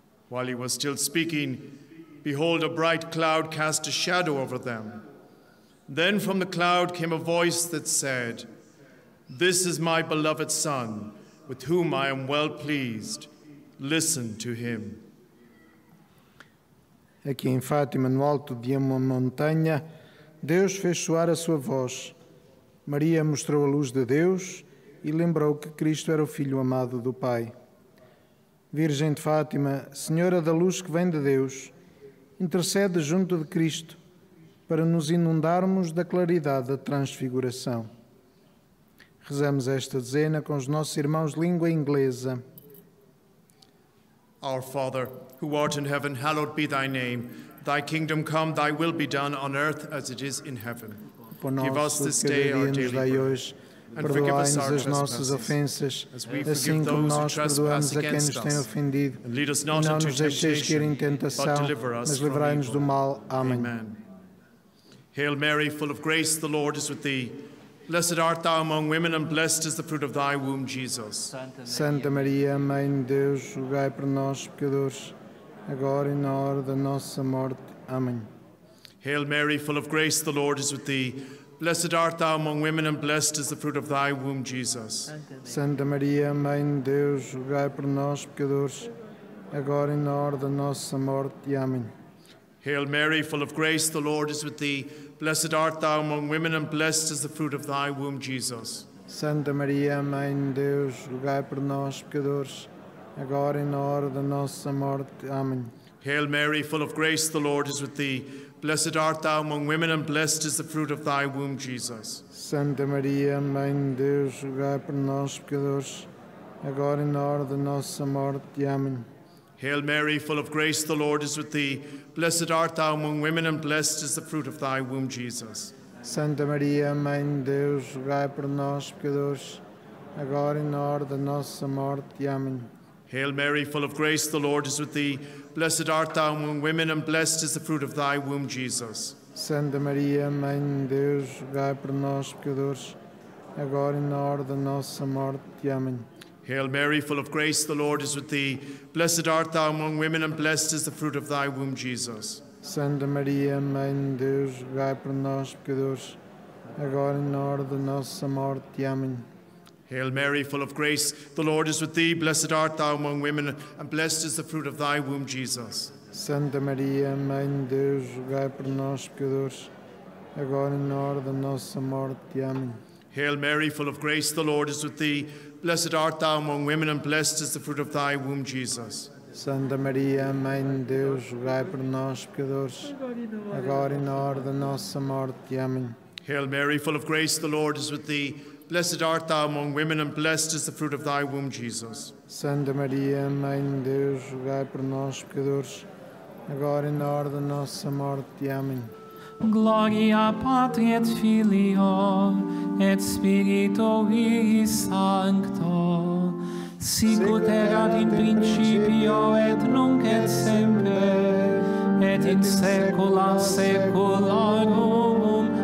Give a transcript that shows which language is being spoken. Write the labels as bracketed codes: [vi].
[en] While he was still speaking, behold, a bright cloud cast a shadow over them. Then from the cloud came a voice that said, This is my beloved Son, with whom I am well pleased. Listen to him. [pt] Aqui em Fátima, no alto de uma montanha, Deus fez soar a sua voz. Maria mostrou a luz de Deus e lembrou que Cristo era o Filho amado do Pai. Virgem de Fátima, Senhora da Luz que vem de Deus, intercede junto de Cristo para nos inundarmos da claridade da transfiguração. Rezamos esta dezena com os nossos irmãos de língua inglesa. [en] Our Father, who art in heaven, hallowed be thy name. Thy kingdom come, thy will be done on earth as it is in heaven. Give us this day our daily bread. And forgive us our trespasses, offenses, as we [pt] assim [en] forgive those who trespass against us. And lead us not into temptation, but deliver us from evil. [pt] Mal. [en] Amen. Amen. Hail Mary, full of grace, the Lord is with thee. Blessed art thou among women, and blessed is the fruit of thy womb, Jesus. [pt] Santa Maria, Mãe de Deus, rogai por nós, pecadores, agora e na hora da nossa morte. Amém. [en] Hail Mary, full of grace, the Lord is with thee. Blessed art thou among women, and blessed is the fruit of thy womb, Jesus. [pt] Santa Maria, Mãe de Deus, rogai por nós, pecadores, agora e na hora da nossa morte. Amém. [en] Hail Mary, full of grace, the Lord is with thee. Blessed art thou among women, and blessed is the fruit of thy womb, Jesus. [pt] Santa Maria, Mãe de Deus, rogai por nós, pecadores, agora e na hora da nossa morte. Amém. [en] Hail Mary, full of grace, the Lord is with thee. Blessed art thou among women, and blessed is the fruit of thy womb, Jesus. [pt] Santa Maria, Mãe de Deus, rogai por nós, pecadores, agora e na hora da nossa morte. Amém. [en] Hail Mary, full of grace, the Lord is with thee. Blessed art thou among women, and blessed is the fruit of thy womb, Jesus. [pt] Santa Maria, Mãe de Deus, rogai por nós, pecadores, agora e na hora da nossa morte. Amém. [en] Hail Mary, full of grace, the Lord is with thee. Blessed art thou among women, and blessed is the fruit of thy womb, Jesus. [pt] Santa Maria, Mãe de Deus, rogai por nós, pecadores, agora e na hora da nossa morte. Amém. [en] Hail Mary, full of grace, the Lord is with thee. Blessed art thou among women, and blessed is the fruit of thy womb, Jesus. [pt] Santa Maria, Mãe de Deus, rogai por nós, pecadores, agora e na hora da nossa morte. Amém. [en] Hail Mary, full of grace, the Lord is with thee. Blessed art thou among women, and blessed is the fruit of thy womb, Jesus. [pt] Santa Maria, Mãe de Deus, rogai por nós, pecadores, agora e na hora da nossa morte. Amém. [en] Hail Mary, full of grace, the Lord is with thee. Blessed art thou among women, and blessed is the fruit of thy womb, Jesus. [pt] Santa Maria, Mãe de Deus, rogai por nós, pecadores, agora e na hora da nossa morte. Amém. [en] Hail Mary, full of grace, the Lord is with thee. Blessed art thou among women, and blessed is the fruit of thy womb, Jesus. [pt] Santa Maria, Mãe de Deus, rogai por nós, pecadores, agora e na hora da nossa morte. Amém. [la] Gloria Patri et Filio et Spiritui Sancto, sicut erat in principio et nunc et semper et in saecula saeculorum.